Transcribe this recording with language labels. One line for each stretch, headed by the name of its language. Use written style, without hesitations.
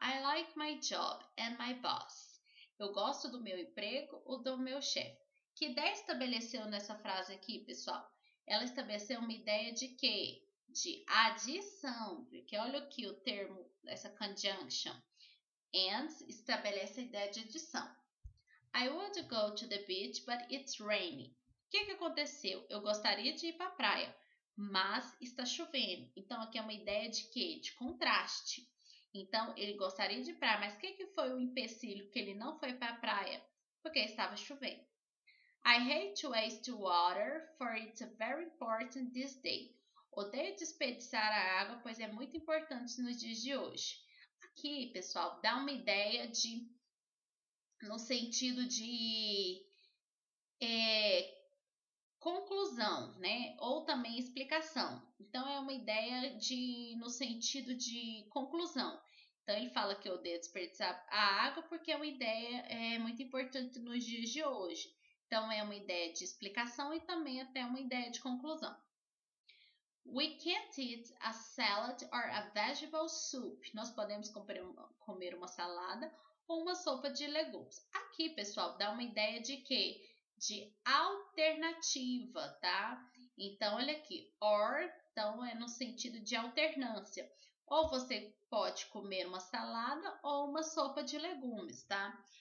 English: I like my job and my boss.
Portuguese: Eu gosto do meu emprego ou do meu chefe. Que ideia estabeleceu nessa frase aqui, pessoal? Ela estabeleceu uma ideia de quê? De adição. Porque olha aqui o termo, essa conjunction. And estabelece a ideia de adição.
English: I would go to the beach, but it's raining.
Portuguese: O que aconteceu? Eu gostaria de ir para a praia, mas está chovendo. Então, aqui é uma ideia de quê? De contraste. Então, ele gostaria de ir para, mas o que foi o empecilho que ele não foi para a praia? Porque estava chovendo.
English: I hate to waste water, for it's very important this day.
Portuguese: Odeio desperdiçar a água, pois é muito importante nos dias de hoje. Aqui, pessoal, dá uma ideia de, no sentido de conclusão, né? Ou também explicação. Então, é uma ideia de, no sentido de conclusão. Então, ele fala que odeia desperdiçar a água porque é uma ideia muito importante nos dias de hoje. Então, é uma ideia de explicação e também até uma ideia de conclusão.
English: We can't eat a salad or a vegetable soup.
Portuguese: Nós podemos comer uma salada ou uma sopa de legumes. Aqui, pessoal, dá uma ideia de quê? De alternativa, tá? Então, olha aqui. Então, é no sentido de alternância. Ou você pode comer uma salada ou uma sopa de legumes, tá?